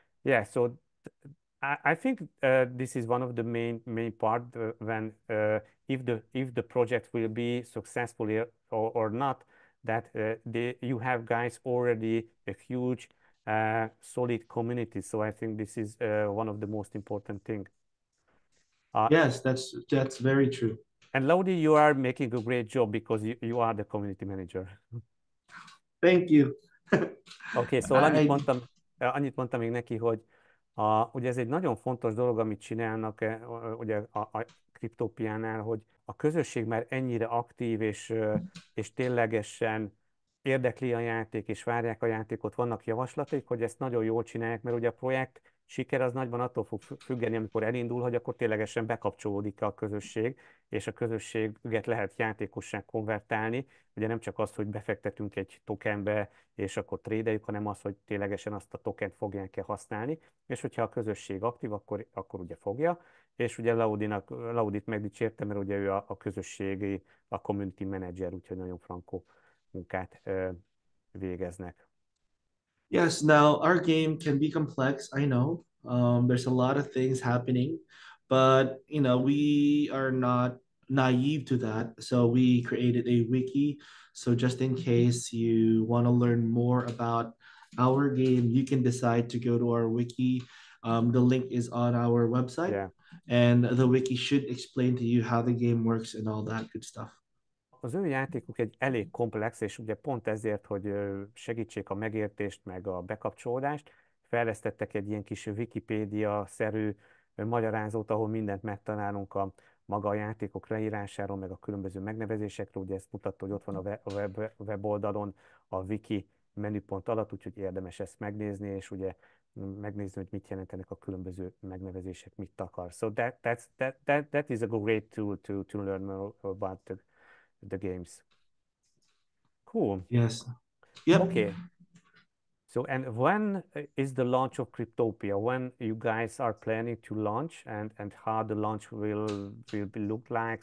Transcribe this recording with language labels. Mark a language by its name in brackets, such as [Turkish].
[English] Yeah, so I think this is one of the main part when if the project will be successful or not, that you have guys already a huge solid community. So I think this is one of the most important thing. Yes, that's very true. And Lodi, you are making a great job, because you are the community manager. Thank you. [Hungarian] Okay, szóval annyit mondtam még neki, hogy ugye ez egy nagyon fontos dolog, amit csinálnak ugye a Kriptópiánál, hogy a közösség már ennyire aktív és ténylegesen érdekli a játék, és várják a játékot, vannak javaslatok, hogy ezt nagyon jól csinálják, mert ugye a projekt siker az nagyban attól fog függeni, amikor elindul, hogy akkor ténylegesen bekapcsolódik a közösség, és a közösséget lehet játékossá konvertálni. Ugye nem csak az, hogy befektetünk egy tokenbe, és akkor trédeljük, hanem az, hogy ténylegesen azt a tokent fogják-e használni. És hogyha a közösség aktív, akkor ugye fogja. És ugye Laudit megdicsérte, mert ugye ő a közösségi, a community manager, úgyhogy nagyon frankó munkát végeznek. [English] Yes, now our game can be complex, I know. There's a lot of things happening, but you know, we are not naive to that. So we created a wiki. So just in case you want to learn more about our game, you can decide to go to our wiki. The link is on our website. Yeah. And the wiki should explain to you how the game works and all that good stuff. [Hungarian] Az ő játékuk egy elég komplex, és ugye pont ezért, hogy segítsék a megértést, meg a bekapcsolódást, fejlesztettek egy ilyen kis Wikipédia-szerű magyarázót, ahol mindent megtalálunk a maga a játékok leírásáról, meg a különböző megnevezésekről. Ugye ezt mutatta, hogy ott van a weboldalon a wiki menüpont alatt, úgyhogy érdemes ezt megnézni, és ugye megnézni, hogy mit jelentenek a különböző megnevezések, mit takar. [English] So that is a great tool to learn about the games. Cool. Yes. Yep. Okay. So, and when is the launch of Cryptopia? When you guys are planning to launch, and how the launch will be look like?